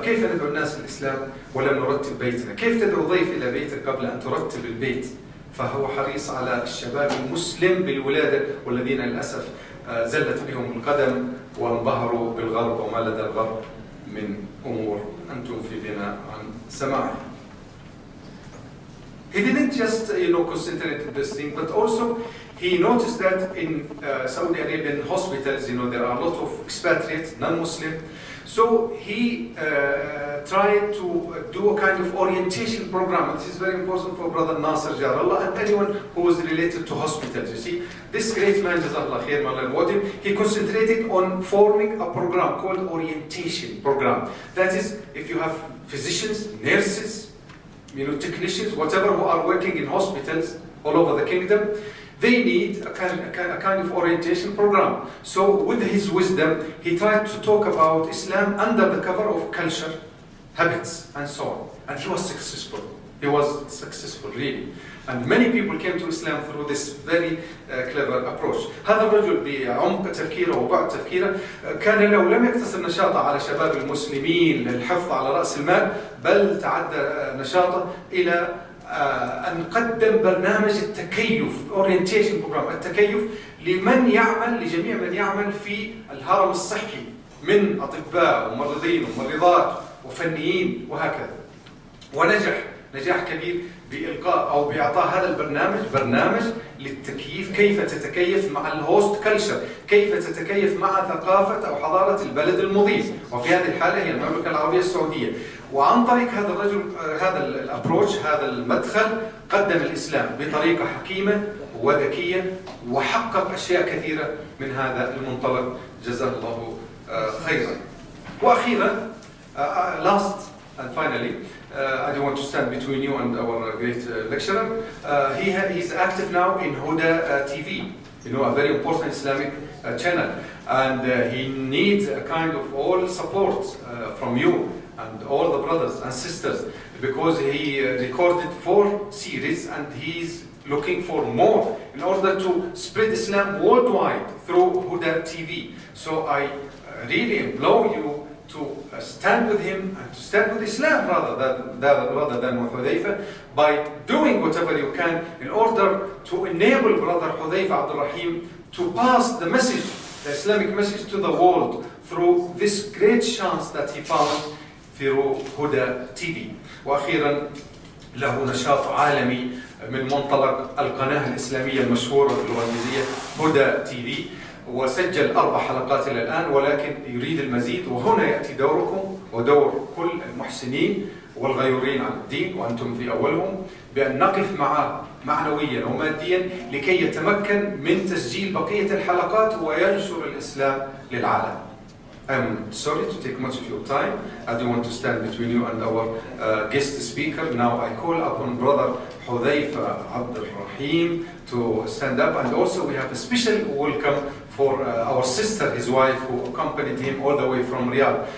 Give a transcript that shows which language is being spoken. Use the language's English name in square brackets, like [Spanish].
[Arabic] كيف ندعو الناس للإسلام ولم نرتب بيتنا؟ كيف تدعو ضيف إلى بيتك قبل أن ترتب البيت؟ فهو حريص على الشباب المسلم بالولادة والذين للأسف زلت بهم القدم وانبهروا بالغرب وما لدى الغرب من أمور أنتم في بناء عن سماعه. [English] He didn't just, concentrate on this thing, but also he noticed that in Saudi Arabian hospitals, there are a lot of expatriates, non-Muslim. So he tried to do a kind of orientation program. This is very important for Brother Nasser Jarallah and anyone who is related to hospitals. You see, this great man, Jazakallah Khair, Malal Wadim, he concentrated on forming a program called orientation program. That is, if you have physicians, nurses, technicians, whatever, who are working in hospitals all over the kingdom, they need a kind of orientation program. So with his wisdom, he tried to talk about Islam under the cover of culture, habits, and so on. And he was successful. He was successful, really. And many people came to Islam through this very clever approach. [Arabic] هذا الرجل بعمق تفكيره وبعد تفكيره كان لو لم يكتسب نشاطه على شباب المسلمين للحفظ على رأس المال بل تعدى نشاطه إلى أن قدم برنامج التكيف [English] orientation program [Arabic] التكيف لمن يعمل لجميع من يعمل في الهرم الصحي من أطباء ومرضين ومريضات وفنيين وهكذا ونجح نجاح كبير بإلقاء أو بإعطاء هذا البرنامج برنامج للتكييف، كيف تتكيف مع الهوست كلشر، كيف تتكيف مع ثقافة أو حضارة البلد المضيف، وفي هذه الحالة هي المملكة العربية السعودية. وعن طريق هذا الرجل، هذا الأبروش، هذا المدخل، قدم الإسلام بطريقة حكيمة وذكية وحقق أشياء كثيرة من هذا المنطلق، جزاه الله خيرا. [English] وأخيرا last and finally I don't want to stand between you and our great lecturer. He's active now in Huda TV, you know, a very important Islamic channel, and he needs a kind of all support from you and all the brothers and sisters, because he recorded 4 series and he's looking for more in order to spread Islam worldwide through Huda TV. So I really implore you to stand with him and to stand with Islam rather than Hudaifah, by doing whatever you can in order to enable Brother Hudaifah Abdul Rahim to pass the message, the Islamic message, to the world through this great chance that he found through Huda TV. [Arabic] وأخيرا له نشاط عالمي من منطلق القناة الإسلامية المشهورة في الإنجليزية هدى تي في، وسجل 4 حلقات إلى الآن، ولكن يريد المزيد، وهنا يأتي دوركم ودور كل المحسنين والغيورين عن الدين، وأنتم في أولهم، بأن نقف معه معنويا وماديا لكي يتمكن من تسجيل بقية الحلقات وينشر الإسلام للعالم. [English] I'm sorry to take much of your time. I don't want to stand between you and our guest speaker. Now I call upon Brother Hudaifah Abdul Rahim to stand up. And also we have a special welcome for our sister, his wife, who accompanied him all the way from Riyadh.